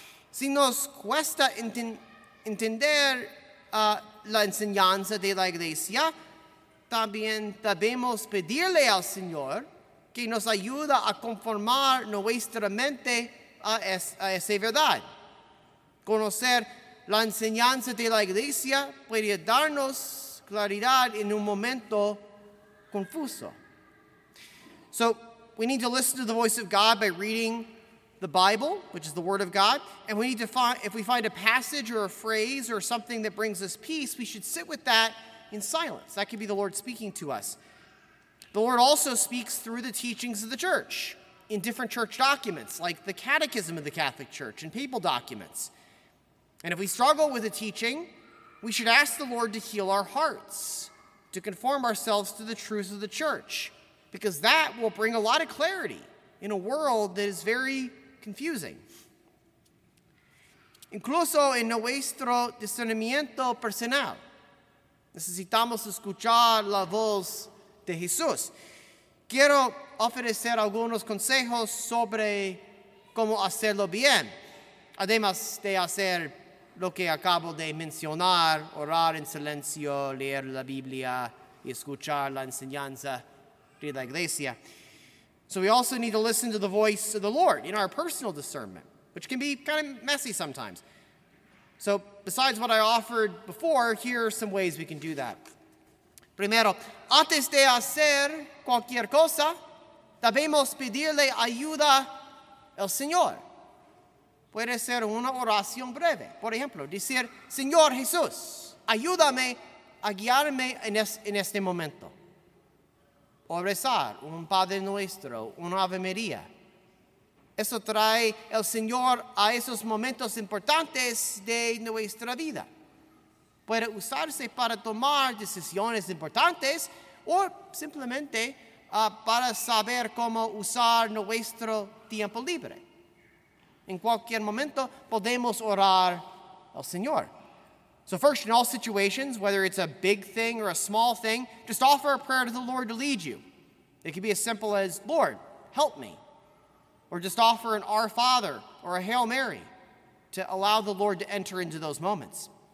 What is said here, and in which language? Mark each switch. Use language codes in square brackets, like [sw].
[es] Si nos cuesta entender la enseñanza de la iglesia, también debemos pedirle al Señor que nos ayude a conformar nuestra mente a esa verdad. Conocer la enseñanza de la iglesia puede darnos claridad en un momento confuso. [en] So, we need to listen to the voice of God by reading the Bible, which is the Word of God. And we need to find, if we find a passage or a phrase or something that brings us peace, we should sit with that in silence. That could be the Lord speaking to us. The Lord also speaks through the teachings of the church in different church documents, like the Catechism of the Catholic Church and papal documents. And if we struggle with a teaching, we should ask the Lord to heal our hearts, to conform ourselves to the truths of the church, because that will bring a lot of clarity in a world that is very confusing. [es] Incluso en nuestro discernimiento personal, necesitamos escuchar la voz de Jesús. Quiero ofrecer algunos consejos sobre cómo hacerlo bien, además de hacer lo que acabo de mencionar, orar en silencio, leer la Biblia y escuchar la enseñanza de la iglesia. [en] So we also need to listen to the voice of the Lord in our personal discernment, which can be kind of messy sometimes. So besides what I offered before, here are some ways we can do that. [es] Primero, antes de hacer cualquier cosa, debemos pedirle ayuda al Señor. Puede ser una oración breve. Por ejemplo, decir, Señor Jesús, ayúdame a guiarme en este momento. O rezar un Padre Nuestro, una Ave María. Eso trae el Señor a esos momentos importantes de nuestra vida. Puede usarse para tomar decisiones importantes o simplemente para saber cómo usar nuestro tiempo libre. En cualquier momento podemos orar al Señor. [en] So first, in all situations, whether it's a big thing or a small thing, just offer a prayer to the Lord to lead you. It could be as simple as, Lord, help me. Or just offer an Our Father or a Hail Mary to allow the Lord to enter into those moments.